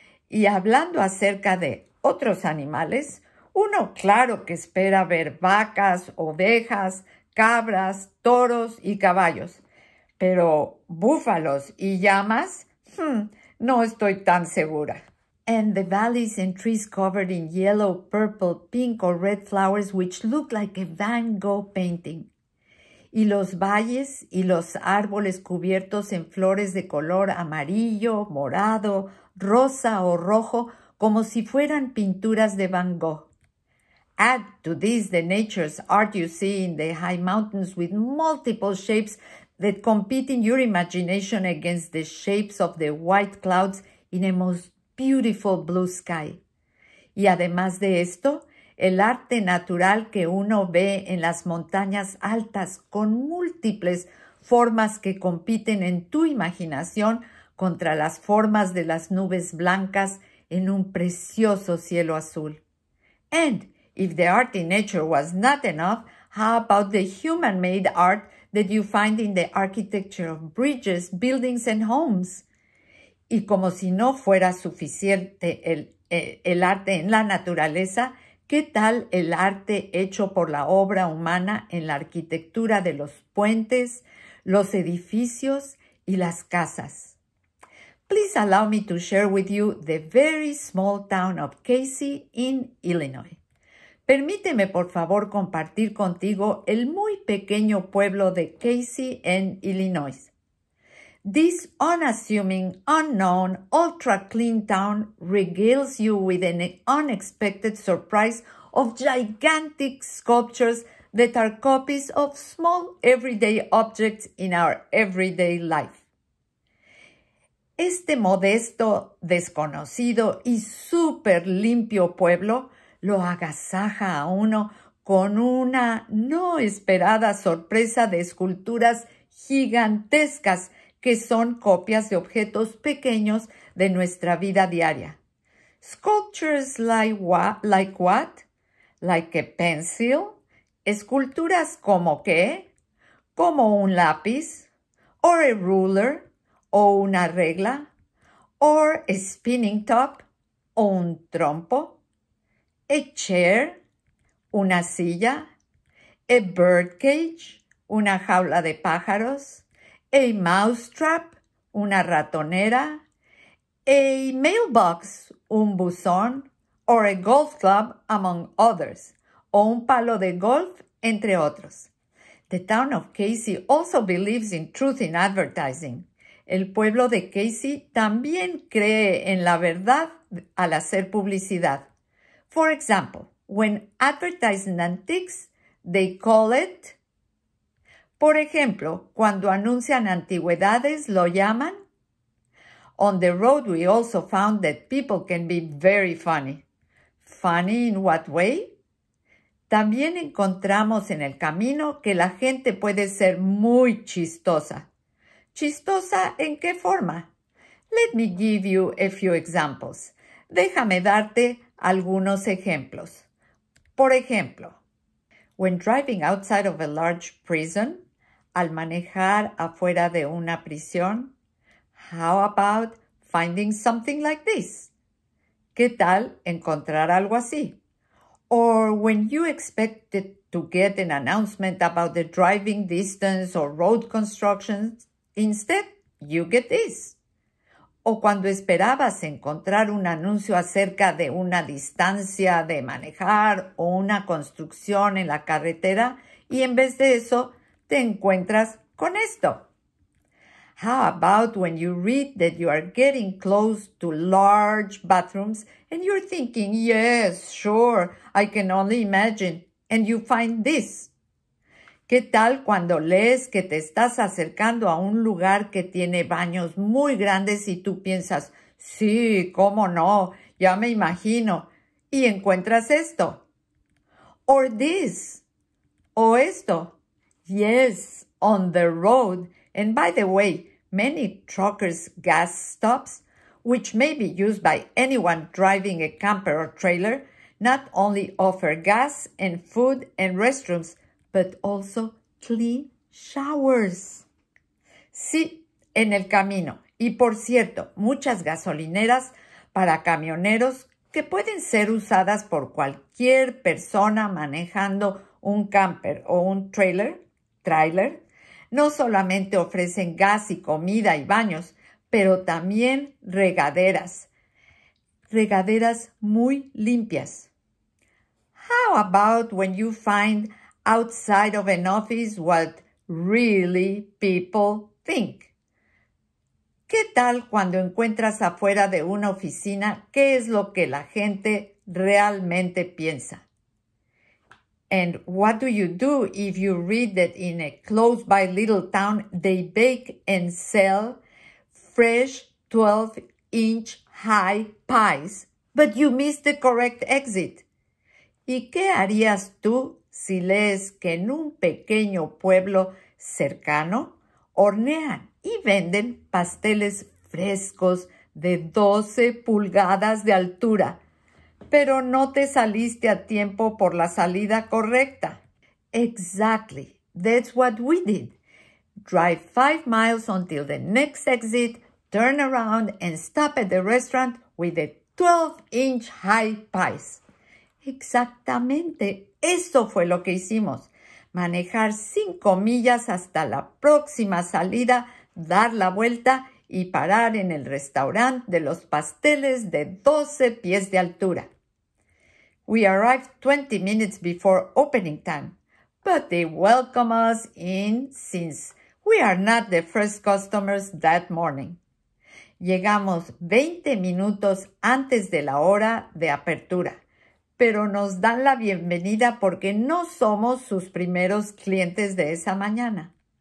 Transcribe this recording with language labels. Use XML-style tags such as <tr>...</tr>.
<es>Y hablando acerca de otros animales, uno claro que espera ver vacas, ovejas, cabras, toros y caballos. Pero búfalos y llamas, no estoy tan segura.</es> <en>And the valleys and trees covered in yellow, purple, pink or red flowers which look like a Van Gogh painting.</en> <es>Y los valles y los árboles cubiertos en flores de color amarillo, morado, rosa o rojo, como si fueran pinturas de Van Gogh.</es> <en>Add to this the nature's art you see in the high mountains with multiple shapes that compete in your imagination against the shapes of the white clouds in a most beautiful blue sky.</en> <es>Y además de esto, el arte natural que uno ve en las montañas altas con múltiples formas que compiten en tu imaginación contra las formas de las nubes blancas en un precioso cielo azul.</es> <en>And if the art in nature was not enough, how about the human-made art that you find in the architecture of bridges, buildings, and homes?</en> <es>Y como si no fuera suficiente el arte en la naturaleza, ¿qué tal el arte hecho por la obra humana en la arquitectura de los puentes, los edificios y las casas?</es> <en>Please allow me to share with you the very small town of Casey in Illinois.</en> <es>Permíteme, por favor, compartir contigo el muy pequeño pueblo de Casey en Illinois.</es> <en>This unassuming, unknown, ultra-clean town regales you with an unexpected surprise of gigantic sculptures that are copies of small everyday objects in our everyday life.</en> <es>Este modesto, desconocido y súper limpio pueblo lo agasaja a uno con una no esperada sorpresa de esculturas gigantescas que son copias de objetos pequeños de nuestra vida diaria.</es> <en>Sculptures like what? Like a pencil?</en> <es>Esculturas como qué? Como un lápiz?</es> <en>Or a ruler?</en> <es>O una regla?</es> <en>Or a spinning top?</en> <es>O un trompo?</es> <en>A chair?</en> <es>Una silla?</es> <en>A birdcage?</en> <es>una jaula de pájaros,</es> <en>a mouse trap,</en> <es>una ratonera,</es> <en>a mailbox,</en> <es>un buzón,</es> <en>or a golf club, among others,</en> <es>o un palo de golf, entre otros.</es> <en>The town of Casey also believes in truth in advertising.</en> <es>El pueblo de Casey también cree en la verdad al hacer publicidad.</es> <en>For example, when advertising antiques, they call it...</en> <es>Por ejemplo, cuando anuncian antigüedades, lo llaman...</es> <en>On the road, we also found that people can be very funny. Funny in what way?</en> <es>También encontramos en el camino que la gente puede ser muy chistosa. ¿Chistosa en qué forma?</es> <en>Let me give you a few examples.</en> <es>Déjame darte algunos ejemplos. Por ejemplo,</es> <en>when driving outside of a large prison,</en> <es>al manejar afuera de una prisión,</es> <en>how about finding something like this?</en> <es>¿Qué tal encontrar algo así?</es> <en>Or when you expected to get an announcement about the driving distance or road construction, instead, you get this.</en> <es>O cuando esperabas encontrar un anuncio acerca de una distancia de manejar o una construcción en la carretera, y en vez de eso, te encuentras con esto.</es> <en>How about when you read that you are getting close to large bathrooms and you're thinking, yes, sure, I can only imagine, and you find this?</en> <es>¿Qué tal cuando lees que te estás acercando a un lugar que tiene baños muy grandes y tú piensas, sí, cómo no, ya me imagino, y encuentras esto?</es> <en>Or this,</en> <es>o esto,</es> <en>yes, on the road. And by the way, many truckers' gas stops, which may be used by anyone driving a camper or trailer, not only offer gas and food and restrooms, but also clean showers.</en> <es>Sí, en el camino. Y por cierto, muchas gasolineras para camioneros que pueden ser usadas por cualquier persona manejando un camper o un trailer, no solamente ofrecen gas y comida y baños, pero también regaderas. Regaderas muy limpias.</es> <en>How about when you find outside of an office what really people think?</en> <es>¿Qué tal cuando encuentras afuera de una oficina qué es lo que la gente realmente piensa?</es> <en>And what do you do if you read that in a close by little town they bake and sell fresh 12-inch high pies, but you miss the correct exit?</en> <es>¿Y qué harías tú si lees que en un pequeño pueblo cercano hornean y venden pasteles frescos de 12 pulgadas de altura, pero no te saliste a tiempo por la salida correcta?</es> <en>Exactly. That's what we did. Drive 5 miles until the next exit, turn around and stop at the restaurant with the 12-inch high pies.</en> <es>Exactamente. Eso fue lo que hicimos. Manejar 5 millas hasta la próxima salida, dar la vuelta y parar en el restaurante de los pasteles de 12 pies de altura.</es> <en>We arrived 20 minutes before opening time, but they welcomed us in since we are not the first customers that morning.</en> <es>Llegamos 20 minutos antes de la hora de apertura, pero nos dan la bienvenida porque no somos sus primeros clientes de esa mañana.</es>